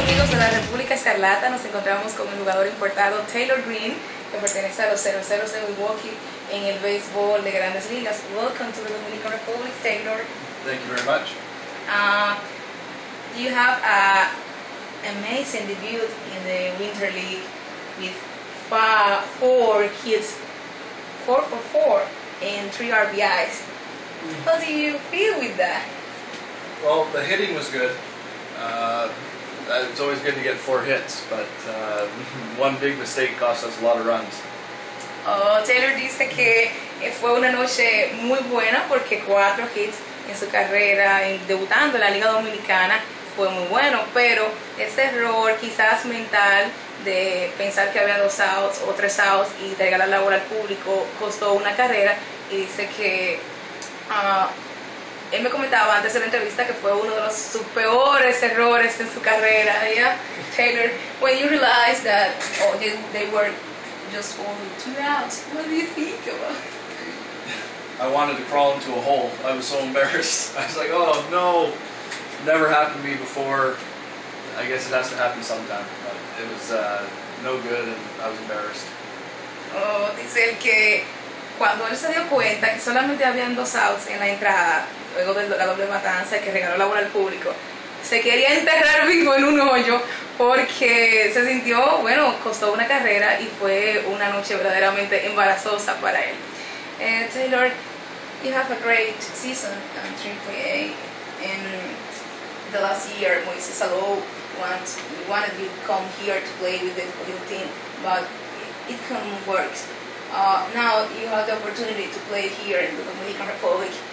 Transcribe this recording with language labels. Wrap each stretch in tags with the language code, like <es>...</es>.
<es>de la República Escarlata, nos encontramos con el jugador importado Taylor Green, que pertenece a los 00 de Milwaukee en el béisbol de Grandes Ligas.</es> <en>Welcome to the Dominican Republic, Taylor. Thank you very much. You have an amazing debut in the Winter League with four hits, 4 for 4, and 3 RBIs. How do you feel with that? Well, the hitting was good. It's always good to get 4 hits, but one big mistake cost us a lot of runs.</en> <es>Oh, Taylor dice que fue una noche muy buena porque 4 hits en su carrera, debutando en la Liga Dominicana, fue muy bueno, pero ese error quizás mental de pensar que había 2 outs o 3 outs y de regalar la bola al público costó una carrera. Y dice que él me comentaba antes de la entrevista que fue uno de los sus peores errores en su carrera.</es> <en>Yeah, Taylor, when you realize that they were just only 2 outs, what do you think about? I wanted to crawl into a hole. I was so embarrassed. I was like, oh no, never happened to me before. I guess it has to happen sometime. But it was no good, and I was embarrassed.</en> <es>Oh, dice él que cuando él se dio cuenta que solamente habían 2 outs en la entrada, luego de la doble matanza que regaló la bola al público, se quería enterrar vivo en un hoyo porque se sintió, bueno, costó una carrera y fue una noche verdaderamente embarazosa para él.</es> <en>Taylor, you have a great season in AAA. In the last year, Moises Alou wanted you to come here to play with the team, but it couldn't work. Now you have the opportunity to play here in the Dominican Republic.</en>